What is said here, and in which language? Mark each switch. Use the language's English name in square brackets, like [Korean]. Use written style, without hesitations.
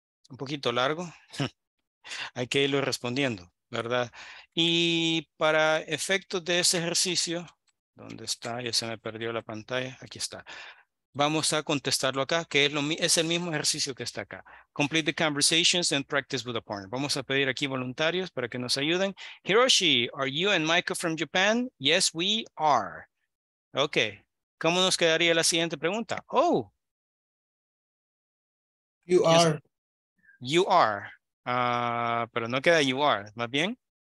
[Spanish] Un poquito largo. Hay que irlo respondiendo, ¿verdad? Y para efectos de ese ejercicio, ¿dónde está? Ya se me perdió la pantalla. Aquí está. Vamos a contestarlo acá, que es el mismo ejercicio que está acá. [English] Complete the conversations and practice with a partner. [Spanish] Vamos a pedir aquí voluntarios para que nos ayuden. [English] Hiroshi, are you and Michael from Japan? Yes, we are. Ok. [Spanish] ¿Cómo nos quedaría la siguiente pregunta? Oh. [English] You are. Yes, you are. [Spanish] Pero no queda [English] you are. [Spanish] Más bien.